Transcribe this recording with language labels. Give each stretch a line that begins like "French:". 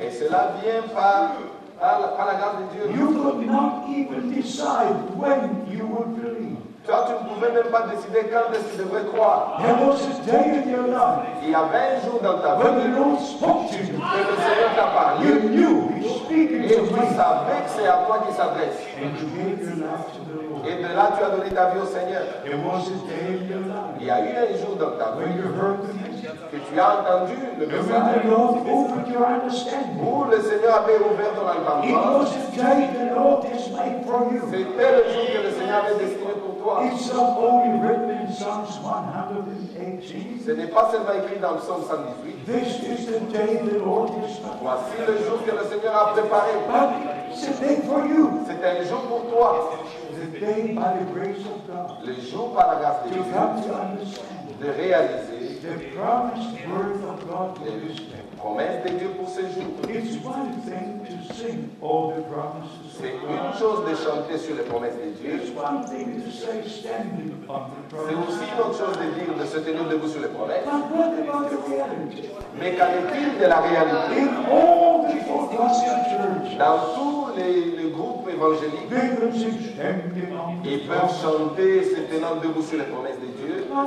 French: Et cela vient par la grâce de Dieu.
English: You could not even decide when you would believe.
French: Tu ne pouvais même pas décider quand est-ce que tu devrais croire.
English: There was a day in your life.
French: Il y avait un jour dans ta vie.
English: When the Lord spoke to you.
French: Que le Seigneur t'a parlé.
English: You knew He's speaking to me.
French: Et tu savais que c'est à toi qu'il s'adresse.
English: And you gave your life to the Lord.
French: Et de là tu as donné ta vie au Seigneur.
English: There was a day in your life.
French: Il y a eu un jour dans ta vie.
English: When you heard the message.
French: Que tu as entendu le message.
English: And when the Lord opened your understanding.
French: Où le Seigneur avait ouvert ton entendement.
English: It was a day the Lord has made for you.
French: C'était le jour que le Seigneur avait destiné pour toi.
English: It's not only written in Psalms 118.
French: Ce n'est pas seulement écrit dans Psalm 118.
English: This is the day the Lord has made.
French: Voici le jour que le Seigneur a préparé.
English: But it's a day for you.
French: C'est un jour pour toi.
English: The day by the grace of God.
French: Le jour par la grâce de Dieu.
English: To come to understand.
French: De réaliser.
English: The promised word of God to this day.
French: Promesse de Dieu pour ce jour.
English: It's one thing to sing all the promises.
French: C'est une chose de chanter sur les promesses de Dieu.
English: It's one thing to say standing on the promises.
French: C'est aussi une autre chose de dire de se tenir debout sur les promesses.
English: But what about the reality?
French: Mais qu'en est-il de la réalité?
English: In all the Christian churches.
French: Dans tous les groupes évangéliques. Ils peuvent chanter se tenant debout sur les promesses de Dieu.